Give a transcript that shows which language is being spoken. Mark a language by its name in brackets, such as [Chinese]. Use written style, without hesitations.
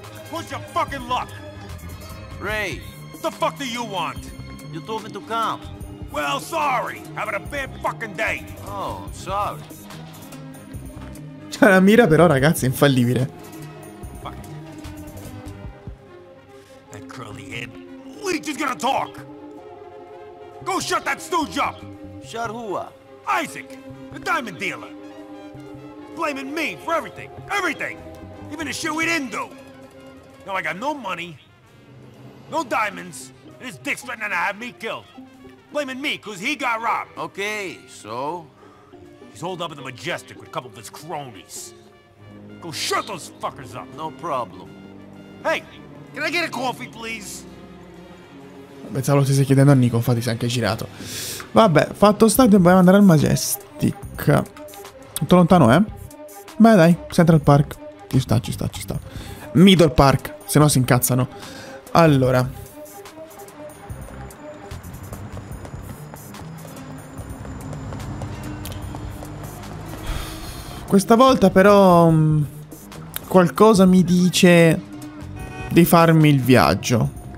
[English] What's your fucking luck? Ray. What the fuck do you want? You told me to come. Well, sorry. Having a bad fucking day. Oh, sorry. [Italian] C'è la mira però, ragazzi, infallibile. [English] Fuck. That curly head. Leech is gonna talk. Go shut that stooge up. Shut who up? Isaac, the diamond dealer. Blaming me for everything. Everything. Even the shit we didn't do. Now I got no money. No diamonds, and his dick's threatening to have me killed. Blaming me, cause he got robbed. Okay, so? He's holed up in the Majestic with a couple of his cronies. Go shut those fuckers up. No problem. Hey, can I get a coffee, please? [Italian] Pensavo stesse chiedendo a Nico, infatti si è anche girato. Vabbè, fatto sta, dobbiamo andare al Majestic. Tutto lontano, eh? Beh, dai, Central Park. Ci sta. Middle Park, se no si incazzano. Allora, questa volta però qualcosa mi dice di farmi il viaggio.